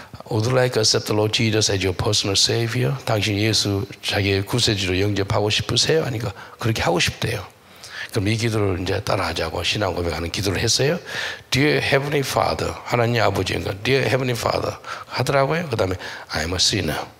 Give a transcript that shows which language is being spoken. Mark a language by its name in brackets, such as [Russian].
[English] Would you like to accept the Lord Jesus as your personal savior? [Korean] 당신 예수 자기의 구세주로 영접하고 싶으세요? 아니까 그렇게 하고 싶대요. 그럼 이 기도를 이제 따라하자고 신앙 고백하는 기도를 했어요. [English] Dear Heavenly Father, [Korean] 하나님 아버지인 것. [English] Dear Heavenly Father [Korean] 하더라고요. 그 다음에 [English] I'm a sinner.